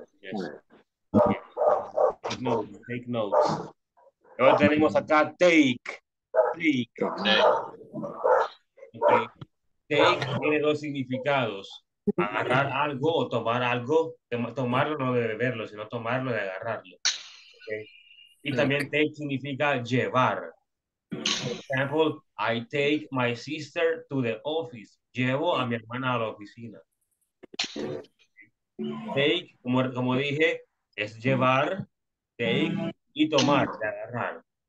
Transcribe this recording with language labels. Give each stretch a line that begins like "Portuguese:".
English: Yes. Okay. Take notes, take notes.
Spanish: Luego tenemos acá take. Okay. Take tiene dos significados: agarrar algo o tomar algo. Tomarlo no de beberlo, sino tomarlo de agarrarlo. Okay. Y también take significa llevar.
English: For example, I take my sister to the office.
Spanish: Llevo a mi hermana a la oficina. Take, como dije, es llevar, take y tomar, de agarrar.